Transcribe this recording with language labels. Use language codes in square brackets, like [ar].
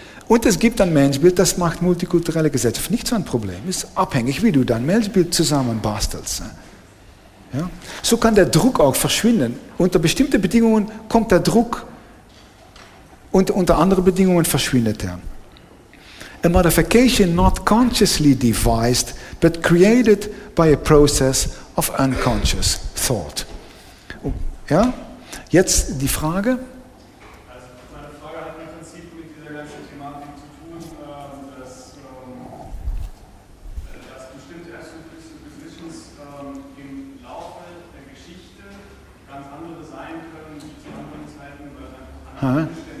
[de] Und es gibt ein Menschbild, das macht multikulturelle Gesellschaft nicht zu einem Problem. Ist abhängig, wie du dein Menschbild zusammenbastelst. Ja? So kann der Druck auch verschwinden. Unter bestimmten Bedingungen kommt der Druck und unter anderen Bedingungen verschwindet er. [en] A modification not consciously devised, but created by a process of unconscious thought. [de] Ja? Jetzt die Frage. Also meine Frage hat im Prinzip mit dieser ganzen Thematik zu tun, dass bestimmte Erstungs-Positions im Laufe der Geschichte ganz andere sein können, wie zu anderen Zeiten, weil dann